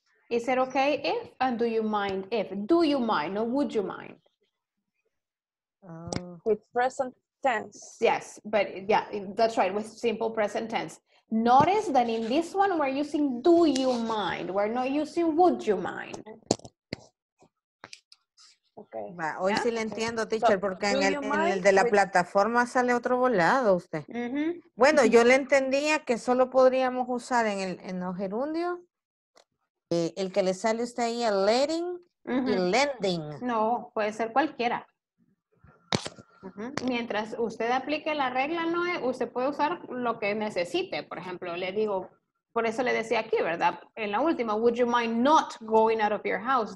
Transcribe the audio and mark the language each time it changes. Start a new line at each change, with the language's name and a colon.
English: Is it okay if, and do you mind if? Do you mind or would you mind? With present tense. Yes, but yeah, that's right, with simple present tense. Notice that in this one we're using do you mind, we're not using would you mind. Okay.
Spanish: Hoy yeah. Sí le entiendo, teacher, porque en el de la plataforma sale otro volado usted. Mm-hmm. Bueno, mm-hmm. Yo le entendía que solo podríamos usar en el gerundio el que le sale usted ahí, el letting mm-hmm. y lending. No, puede ser cualquiera. Mm-hmm. Mientras usted aplique la regla, Noé, usted puede usar lo que necesite. Por ejemplo, le digo, por eso le decía aquí, ¿verdad? En la última,
English: would you mind not going out of your house?